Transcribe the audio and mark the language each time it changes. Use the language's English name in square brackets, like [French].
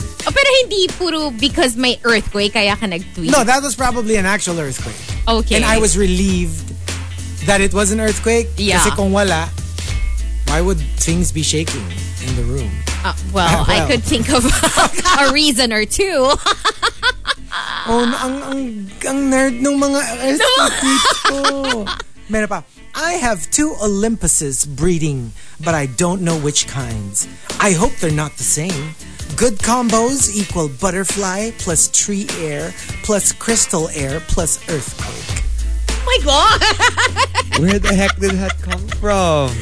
[Filipino] Oh, pero hindi puro [English] because [Filipino] may earthquake kaya ka nag-tweet. [English] No, that was probably an actual earthquake. Okay. And I was relieved that it was an earthquake. Yeah. [Filipino] Kasi kung wala, [English] why would things be shaking in the room? Well, I could think of a reason or two. [Filipino] Oh, ang nerd ng mga earthquake ko. [English] I have 2 Olympuses breeding, but I don't know which kinds. I hope they're not the same. Good combos equal butterfly plus tree air plus crystal air plus earthquake. Oh my God! Where the heck did that come from?